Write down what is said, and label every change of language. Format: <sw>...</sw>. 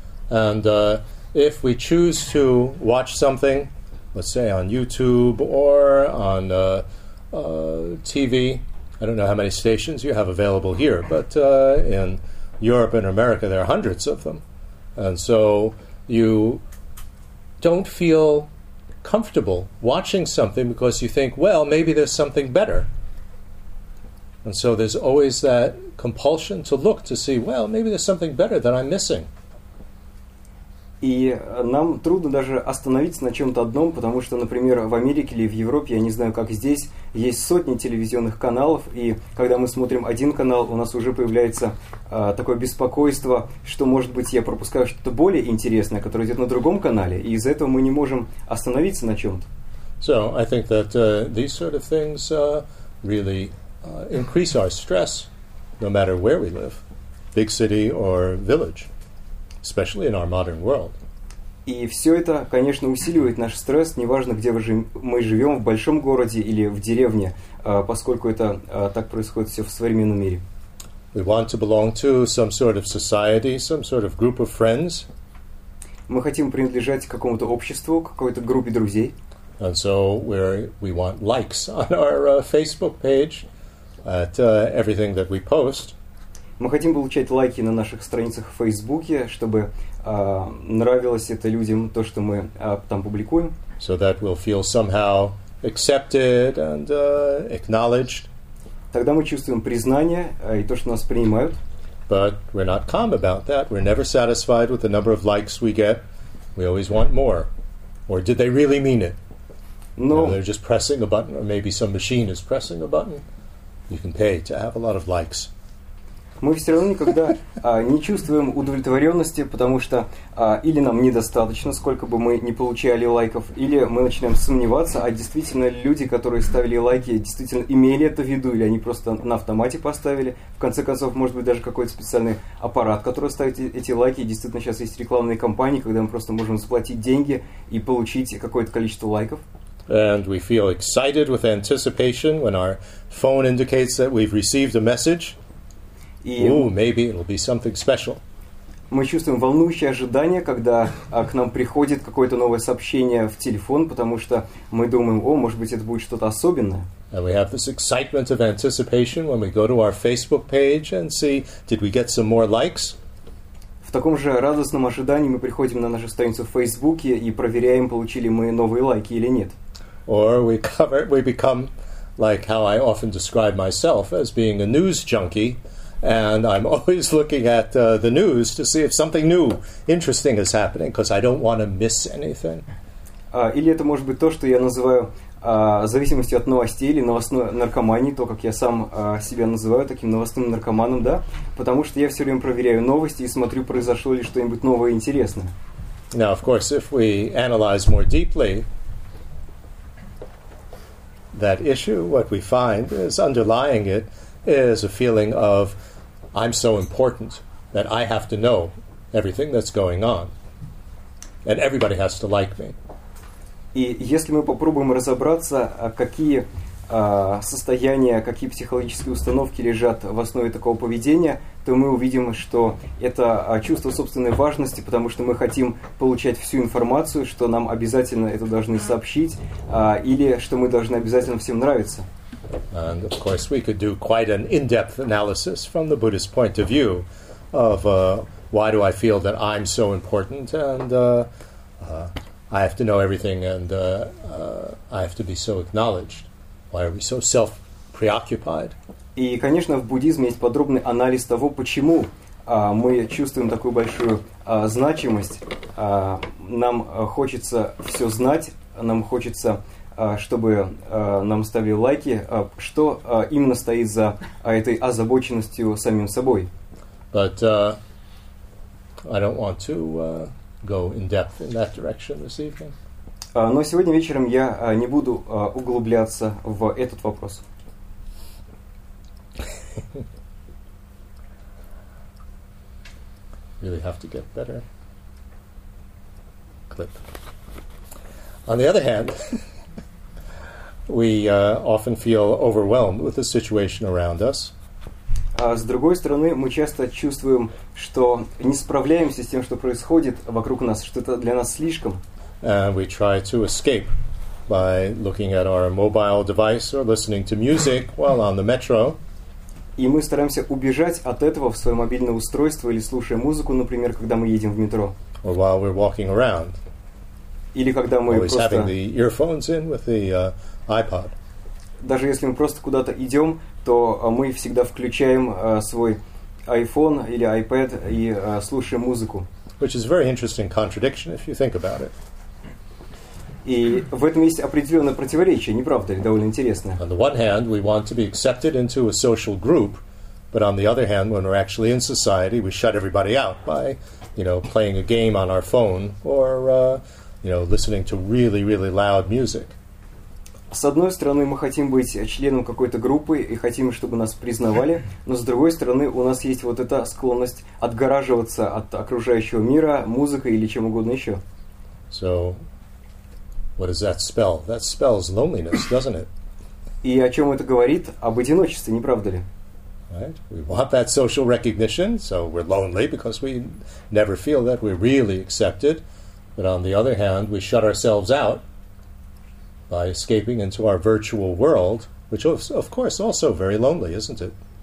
<en>And if we choose to watch something, let's say on YouTube or on TV, I don't know how many stations you have available here, but in Europe and America there are hundreds of them. And so you don't feel comfortable watching something because you think, well, maybe there's something better. And so there's always that compulsion to look to see, well, maybe there's something better that I'm missing.</en> <ru>И нам трудно даже остановиться на чем-то одном, потому что, например, в Америке или в Европе, я не знаю, как здесь, есть сотни телевизионных каналов, и когда мы смотрим один канал, у нас уже появляется такое беспокойство, что, может быть, я пропускаю что-то более интересное, которое идет на другом канале, и из-за этого мы не можем остановиться на чем-то.</ru> <en>So, I think that these sort of things really increase our stress, no matter where we live, big city or village. Especially in our modern world.</en> <ru>И все это, конечно, усиливает наш стресс, неважно, где мы живем, в большом городе или в деревне, поскольку это так происходит все в современном мире.</ru> <en>We want to belong to some sort of society, some sort of group of friends.</en> <ru>Мы хотим принадлежать какому-то обществу, какой-то группе друзей.</ru> <en>And so we want likes on our Facebook page at everything that we post.</en> <ru>Мы хотим получать лайки на наших страницах в Фейсбуке, чтобы нравилось это людям, то, что мы там публикуем.</ru> <en>So that we'll feel somehow accepted and acknowledged.</en> <ru>Тогда мы чувствуем признание и то, что нас принимают.</ru> <en>But we're not calm about that. We're never satisfied with the number of likes we get. We always want more. Or did they really mean it? No. You know, they're just pressing a button, or maybe some machine is pressing a button. You can pay to have a lot of likes.</en> <ru>Мы все равно никогда не чувствуем удовлетворенности, потому что или нам недостаточно, сколько бы мы ни получали лайков, или мы начинаем сомневаться, а действительно люди, которые ставили лайки, действительно имели это в виду, или они просто на автомате поставили. В конце концов, может быть, даже какой-то специальный аппарат, который ставит эти лайки. Действительно, сейчас есть рекламные кампании, когда мы просто можем заплатить деньги и получить какое-то количество лайков.</ru> <en>And we feel excited with anticipation when our phone indicates that we've received a message. Ooh, maybe it'll be something special.</en> <ru>Мы чувствуем волнующее ожидание, когда к нам приходит какое-то новое сообщение в телефон, потому что мы думаем, о, может быть, это будет что-то особенное.</ru> <en>And we have this excitement of anticipation when we go to our Facebook page and see, did we get some more likes?</en> <ru>В таком же радостном ожидании мы приходим на нашу страницу в Фейсбуке и проверяем, получили мы новые лайки или нет.</ru> <en>Or we become like how I often describe myself as being a news junkie. And I'm always looking at the news to see if something new, interesting is happening, because I don't want to miss anything.</en> <ru>Или это может быть то, что я называю зависимостью от новостей или новостной наркоманией, то, как я сам себя называю, таким новостным наркоманом, да? Потому что я все время проверяю новости и смотрю, произошло ли что-нибудь новое и интересное.</ru> <en>Now, of course, if we analyze more deeply that issue, what we find is underlying it is a feeling of I'm so important that I have to know everything that's going on and everybody has to like me.</en> <ru>И если мы попробуем разобраться, какие состояния, какие психологические установки лежат в основе такого поведения, то мы увидим, что это чувство собственной важности, потому что мы хотим получать всю информацию, что нам обязательно это должны сообщить, или что мы должны обязательно всем нравиться.</ru> <en>And of course, we could do quite an in-depth analysis from the Buddhist point of view of why do I feel that I'm so important and I have to know everything and I have to be so acknowledged. Why are we so self-preoccupied?</en> <ru>И, конечно, в буддизме есть подробный анализ того, почему мы чувствуем такую большую значимость. Нам хочется все знать, нам хочется чтобы нам ставили лайки, что именно стоит за этой озабоченностью самим собой.</ru> <en>But I don't want to go in depth in that direction this evening.</en> <ru>Но сегодня вечером я не буду углубляться в этот вопрос.</ru> <en>Really have to get better. Clip. On the other hand, we often feel overwhelmed with the situation around us.</en> <ru>С другой стороны, мы часто чувствуем, что не справляемся с тем, что происходит вокруг нас, что это для нас слишком.</ru> <en>And we try to escape by looking at our mobile device or listening to music while on the metro.</en> <ru>И мы стараемся убежать от этого в свое мобильное устройство или слушая музыку, например, когда мы едем в метро.</ru> <en>Or while we're walking around.</en> <ru>Или когда мы</ru> <en>always</en> <ru>просто</ru> <en>having the earphones in with the iPod.</en> <ru>Даже если мы просто куда-то идем, то мы всегда включаем свой iPhone или iPad и слушаем музыку.</ru> <en>which is a very interesting contradiction if you think about it.</en> <ru>И в этом есть определенное противоречие, не правда ли, довольно интересное.</ru> <en>On the one hand, we want to be accepted into a social group, but on the other hand, when we're actually in society, we shut everybody out by, you know, playing a game on our phone or, you know, listening to really, really loud music.</en> <ru>С одной стороны, мы хотим быть членом какой-то группы и хотим, чтобы нас признавали, но с другой стороны, у нас есть вот эта склонность отгораживаться от окружающего мира музыкой или чем угодно еще.</ru> <en>So, what does that spell? That spells loneliness, doesn't it?</en> <ru>И о чем это говорит? Об одиночестве, не правда ли?</ru> <en>Right? We want that social recognition, so we're lonely because we never feel that we're really accepted. But on the other hand, we shut ourselves out by escaping into our virtual world, which is, of course, also very lonely, isn't it?</en>